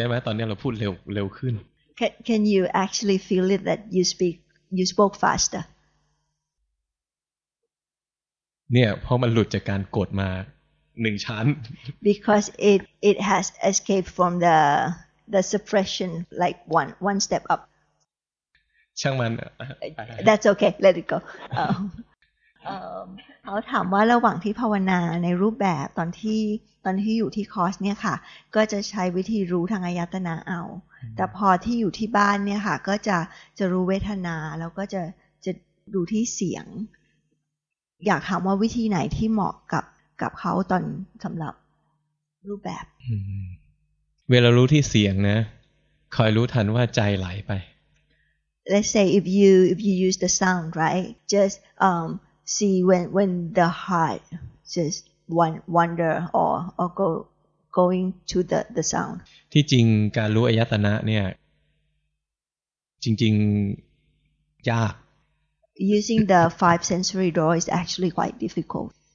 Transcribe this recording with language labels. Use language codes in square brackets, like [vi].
[en] Can you actually feel it that you spoke faster? [th] เนี่ยเพราะมันหลุดจากการกดมา1ชั้น [en] because it has escaped from the suppression like one step up [th] ช่างมัน [en] that's okay let it go [th] เขาถามว่าระหว่างที่ภาวนาในรูปแบบตอนที่อยู่ที่คอร์สเนี่ยค่ะก็จะใช้วิธีรู้ทางอายตนะเอาแต่พอที่อยู่ที่บ้านเนี่ยค่ะก็จะรู้เวทนาแล้วก็จะดูที่เสียงอยากถามว่าวิธีไหนที่เหมาะกับเขาตอนสำหรับรูปแบบ เวลารู้ที่เสียงนะคอยรู้ทันว่าใจไหลไป [en] Let's say if you use the sound right just see when the heart just wander or going to the sound [th] ที่จริงการรู้อายตนะเนี่ยจริงๆยาก [en] Using the five sensory door is actually quite difficult.